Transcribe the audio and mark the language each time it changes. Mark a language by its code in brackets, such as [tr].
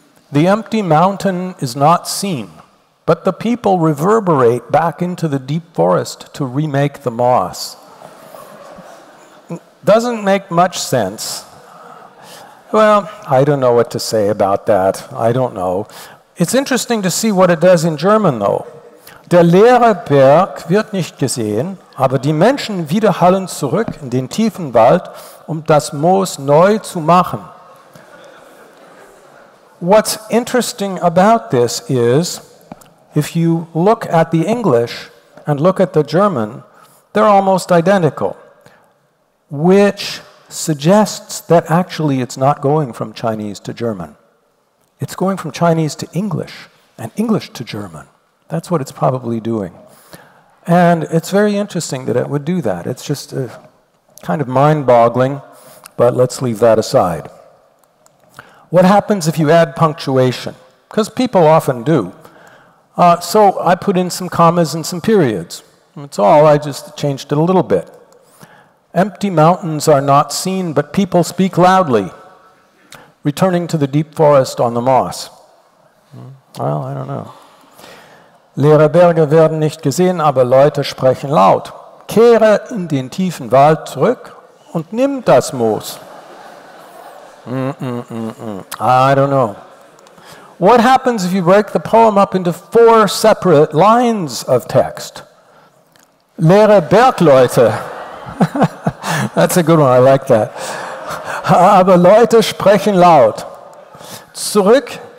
[en] The empty mountain is not seen, but the people reverberate back into the deep forest to remake the moss. Doesn't make much sense. Well, I don't know what to say about that. I don't know. It's interesting to see what it does in German, though. [de] Der leere Berg wird nicht gesehen, aber die Menschen widerhallen zurück in den tiefen Wald, um das Moos neu zu machen. [en] What's interesting about this is, if you look at the English and look at the German, they're almost identical, which suggests that actually it's not going from Chinese to German. It's going from Chinese to English and English to German. That's what it's probably doing. And it's very interesting that it would do that. It's just kind of mind-boggling, but let's leave that aside. What happens if you add punctuation? Because people often do. So I put in some commas and some periods. That's all, I just changed it a little bit. Empty mountains are not seen, but people speak loudly, returning to the deep forest on the moss. Well, I don't know. [de] Leere Berge werden nicht gesehen, aber Leute sprechen laut. Kehre in den tiefen Wald zurück und nimm das Moos. [en] I don't know. What happens if you break the poem up into four separate lines of text? [de] Leere Bergleute. [en] That's a good one, I like that. [de] Aber Leute sprechen laut. Zurück